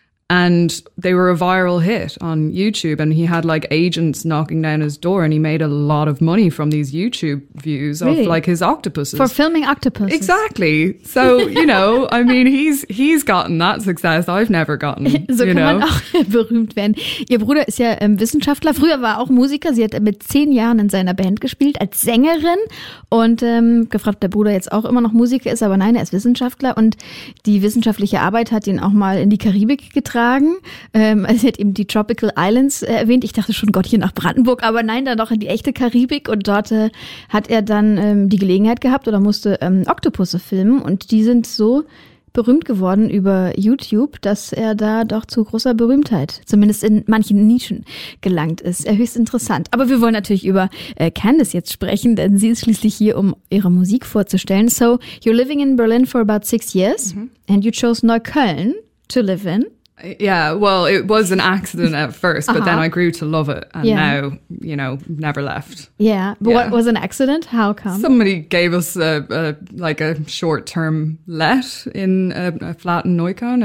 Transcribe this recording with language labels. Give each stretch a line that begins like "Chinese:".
English: And they were a viral hit on YouTube and he had like agents knocking down his door and he made a lot of money from these YouTube views of like his octopuses. For filming octopuses. Exactly. So, you know, I mean, he's gotten that success I've never gotten. So you
German: kann
English: know.
German: Man auch berühmt werden. Ihr Bruder ist ja Wissenschaftler. Früher war er auch Musiker. Sie hat mit 10 Jahren in seiner Band gespielt als Sängerin und gefragt, ob der Bruder jetzt auch immer noch Musiker ist. Aber nein, er ist Wissenschaftler und die wissenschaftliche Arbeit hat ihn auch mal in die Karibik getragen. Sie hat eben die Tropical Islands erwähnt. Ich dachte schon, Gott, hier nach Brandenburg. Aber nein, dann doch in die echte Karibik. Und dort hat er dann die Gelegenheit gehabt oder musste Oktopusse filmen. Und die sind so berühmt geworden über YouTube, dass er da doch zu großer Berühmtheit, zumindest in manchen Nischen, gelangt ist. Höchst interessant. Aber wir wollen natürlich über Candace jetzt sprechen, denn sie ist schließlich hier, um ihre Musik vorzustellen.
English: So, you're living in Berlin for about 6 years. Mm-hmm. And you chose Neukölln to live in. Yeah, well, it was an accident at first, but then I grew to love it. And now, you know, never left. Yeah. But what was an accident? How come? Somebody gave us a short-term let in a flat in Neukölln.